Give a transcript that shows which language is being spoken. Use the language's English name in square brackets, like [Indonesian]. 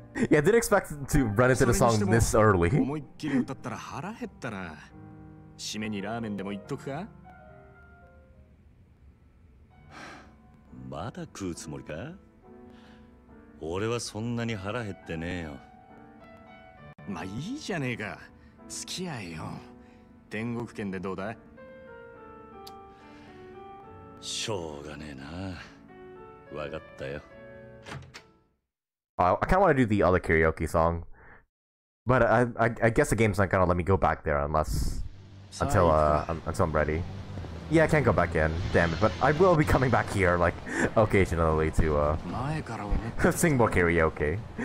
[English] Yeah, I didn't expect to run into the song this early. [Japanese] 思いっきり歌ったら腹減ったな。締めにラーメンでも行っとくか。まだ食うつもりか。俺はそんなに腹減ってねえよ。まあいいじゃねえか。付き合えよ。天国圏でどうだ。しょうがねえな。わかったよ。 [English] I kind of want to do the other karaoke song, but I guess the game's not gonna let me go back there until I'm ready. Yeah, I can't go back in. Damn it. But I will be coming back here, like, occasionally to, sing more karaoke.